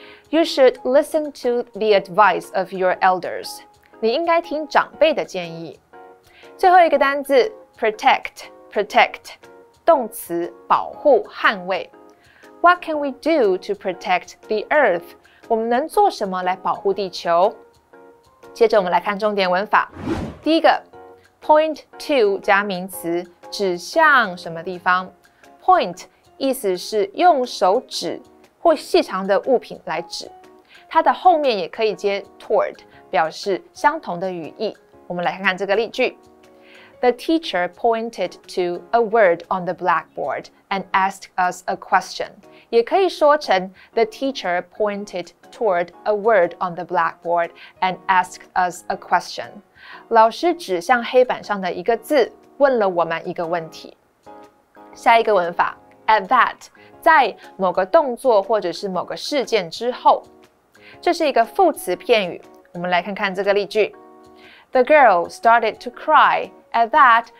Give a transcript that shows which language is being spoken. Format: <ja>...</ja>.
<en>You should listen to the advice of your elders.</en> <zh>你应该听长辈的建议。最后一个单字</zh> <en>protect, protect,</en> <zh>动词保护、捍卫。</zh> <en>What can we do to protect the earth?</en> <zh>我们能做什么来保护地球？接着我们来看重点文法。第一个 ，</zh> <en>point to</en> <zh>加名词，指向什么地方 ？Point 意思是用手指或细长的物品来指，它的后面也可以接</zh> <en>toward，</en> <zh>表示相同的语义。我们来看看这个例句</zh> <en>：The teacher pointed to a word on the blackboard and asked us a question。</en> <zh>也可以说成</zh> <en>The teacher pointed toward a word on the blackboard and asked us a question.</en> <zh>老师指向黑板上的一个字，问了我们一个问题。下一个文法</zh> <en>at that，</en> <zh>在某个动作或者是某个事件之后，这是一个副词片语。我们来看看这个例句</zh> <en>：The girl started to cry at that.</en>